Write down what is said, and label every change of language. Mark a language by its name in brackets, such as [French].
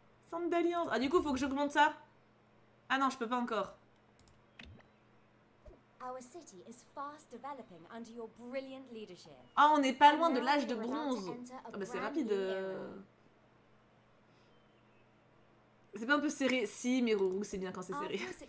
[French] Centre d'alliance. Ah, du coup, faut que j'augmente ça. Ah non, je peux pas encore. [English] Our city is fast developing under your brilliant leadership. [French] Oh, on n'est pas loin de l'âge de bronze. Ah bah c'est rapide. C'est pas un peu serré? Si, Mirourou, c'est bien quand c'est serré.